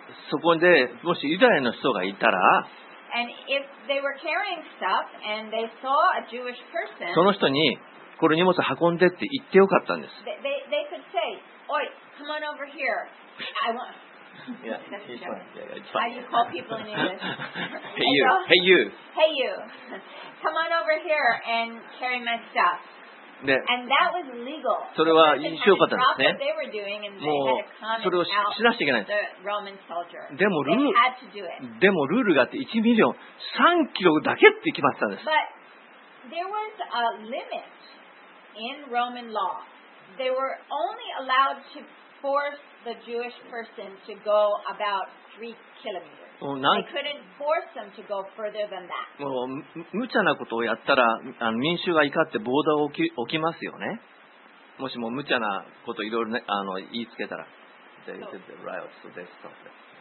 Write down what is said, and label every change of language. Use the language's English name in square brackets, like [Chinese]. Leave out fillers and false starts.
[Japanese] そこでもしユダヤの人がいたら、 [English] and if they were carrying stuff and they saw a Jewish person, [Japanese] その人にこれ荷物運んでって言ってよかったんです。 [English] They could say, Oi, come on over here. I want. Yeah, how do you call people in English? Hey you. Hey you. Hey you. Come on over here and carry my stuff. [Japanese] でそれは印象かったんですね。もうそれをしなくちゃいけないんです。でもルールがあって1ミリオン3キロだけって決まってたんです。 [English] But there was a limit in Roman law. They were only allowed to force the Jewish person to go about 3 kilometers. They couldn't force them to go further than that. [Japanese] もう無茶なことをやったら民衆が怒って暴動を起きますよね。もしも無茶なこといろいろ、ね、言いつけたら、 [English] they did the riots, so they stopped it.